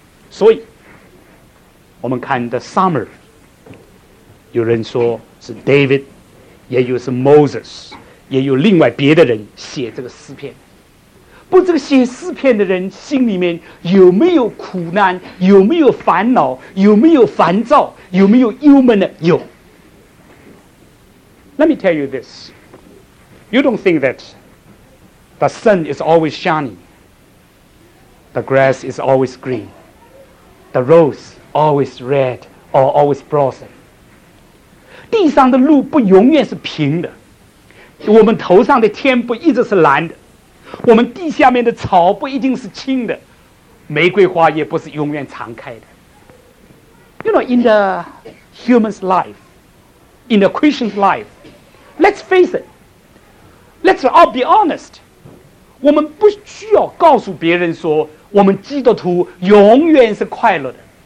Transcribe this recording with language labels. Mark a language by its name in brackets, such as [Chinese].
[Chinese] 所以我们看 The Summer， 有人说是 David， 也有是 Moses，也有另外别的人写这个诗篇。不，这个写诗篇的人心里面有没有苦难，有没有烦恼，有没有烦躁，有没有忧闷呢？有。 [English] Let me tell you this, you don't think that the sun is always shining, the grass is always green, the rose always red or always blossom. [Chinese] 地上的路不永远是平的，我们头上的天不一直是蓝的，我们地下面的草不一定是青的，玫瑰花也不是永远常开的。 [English] You know, in the human's life, in the Christian's life, let's face it, let's all be honest, [Chinese] 我们不需要告诉别人说我们基督徒永远是快乐的。